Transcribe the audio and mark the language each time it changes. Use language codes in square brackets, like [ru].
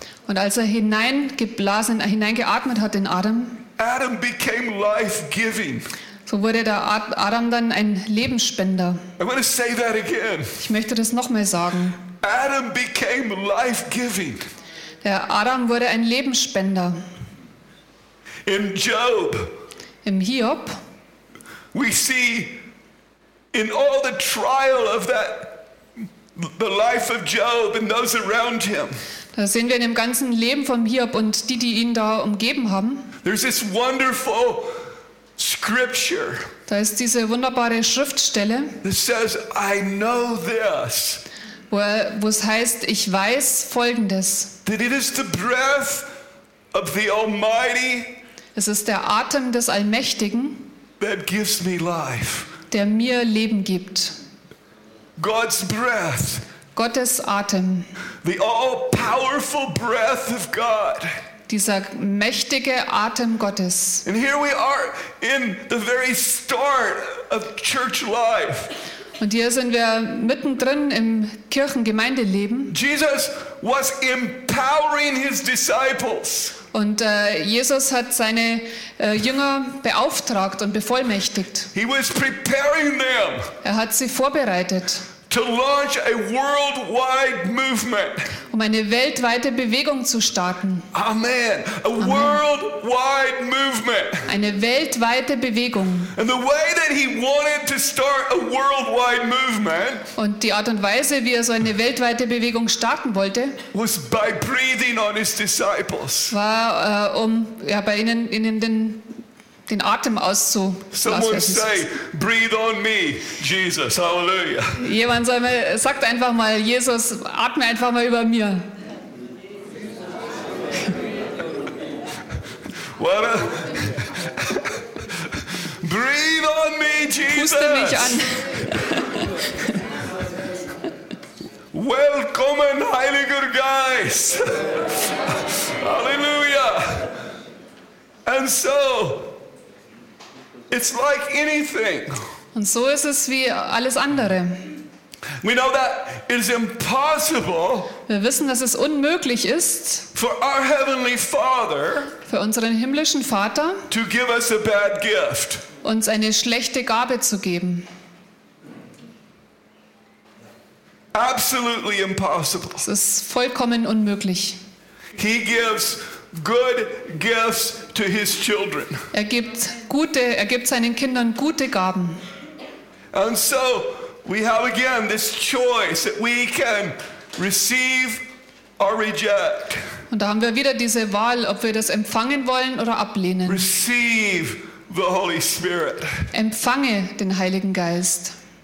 [de] Und als hineingeatmet hat in Adam. [en] Adam became life-giving. [de] So wurde der Adam dann ein Lebensspender. [en] I want to say that again. [de] Ich möchte das nochmal sagen. [en] Adam became life-giving. [de] Der Adam wurde ein Lebensspender. [en] In Job. [de] Im Hiob. [en] We see in all the trial of that the life of Job and those around him. [de] Da sehen wir in dem ganzen Leben von Hiob und die, die ihn da umgeben haben. [en] There's this wonderful scripture. [de] Da ist diese wunderbare Schriftstelle. [en] That says, I know this. [de] Wo es heißt, ich weiß Folgendes. [en] That it is the breath of the Almighty. [de] Es ist der Atem des Allmächtigen. [en] That gives me life. [de] Der mir Leben gibt. [en] God's breath. [de] Gottes Atem. [en] The all-powerful breath of God. [de] Dieser mächtige Atem Gottes. [en] And here we are in the very start of church life. [de] Und hier sind wir mittendrin im Kirchengemeindeleben. [en] Jesus was empowering his disciples. [de] Und Jesus hat seine Jünger beauftragt und bevollmächtigt. [en] He was preparing them. [de] Er hat sie vorbereitet. [en] To launch a worldwide movement. [de] Um eine weltweite Bewegung zu starten. [en] Amen. A worldwide movement. [de] Eine weltweite Bewegung. [en] And the way that he wanted to start a worldwide movement. [de] Und die Art und Weise, wie er so eine weltweite Bewegung starten wollte, [en] was by breathing on his disciples. [de] War bei ihnen den Atem auszulassen. [en] Someone say, breathe on me, Jesus, hallelujah. [de] Jemand sagt einfach mal, Jesus, atme einfach mal über mir. [en] What a... Breathe on me, Jesus. [de] Puste mich an. [en] Welcome, Heiliger Geist. Hallelujah. And so... It's like anything. [de] Und so ist es wie alles andere. [en] We know that it is impossible. [de] Wir wissen, dass es unmöglich ist. [en] For our heavenly Father. [de] Für unseren himmlischen Vater. [en] To give us a bad gift. [de] Uns eine schlechte Gabe zu geben. [en] Absolutely impossible. [de] Es ist vollkommen unmöglich. [en] He gives good gifts to his children. [de] Er gibt seinen Kindern gute Gaben. [en] And so we have again this choice that we can receive or reject. [de] Und da haben wir wieder diese Wahl, ob wir das empfangen wollen oder ablehnen. [en] Receive the Holy Spirit. [de] Empfange den Heiligen Geist.